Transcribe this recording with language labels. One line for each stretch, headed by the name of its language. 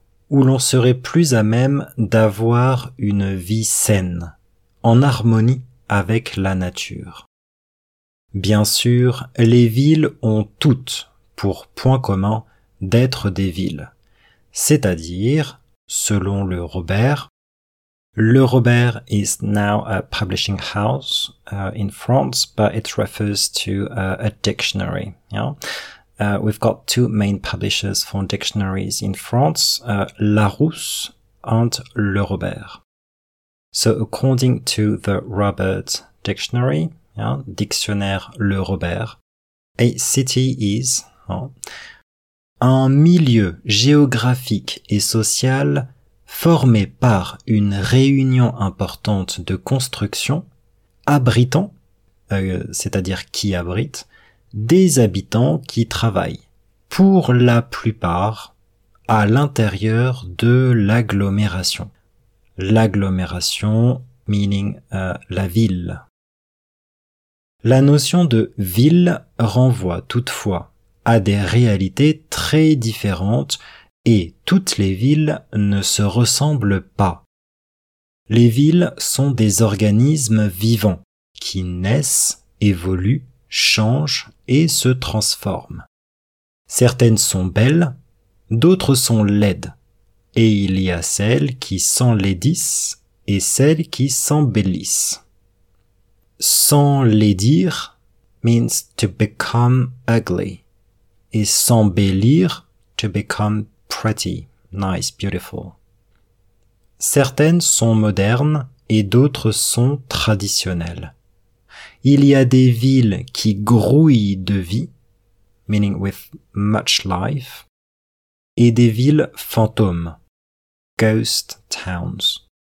French: Où l'on serait plus à même d'avoir une vie saine, en harmonie avec la nature. Bien sûr, les villes ont toutes, pour point commun, d'être des villes. C'est-à-dire, selon le Robert,
English: Le Robert is now a publishing house in France, but it refers to a dictionary. Yeah? We've got two main publishers for dictionaries in France, Larousse and Le Robert. So according to the Robert dictionary, yeah,
French: dictionnaire Le Robert,
English: a city is
French: un milieu géographique et social formé par une réunion importante de construction abritant, c'est-à-dire qui abrite, des habitants qui travaillent pour la plupart à l'intérieur de l'agglomération. L'agglomération
English: meaning
French: la ville. La notion de ville renvoie toutefois à des réalités très différentes et toutes les villes ne se ressemblent pas. Les villes sont des organismes vivants qui naissent, évoluent, changent et se transforment. Certaines sont belles, d'autres sont laides, et il y a celles qui s'enlaidissent et celles qui s'embellissent.
English: S'enlaidir means to become ugly.
French: Et s'embellir,
English: to become pretty, nice, beautiful.
French: Certaines sont modernes et d'autres sont traditionnelles. Il y a des villes qui grouillent de vie,
English: meaning with much life,
French: et des villes fantômes,
English: ghost towns.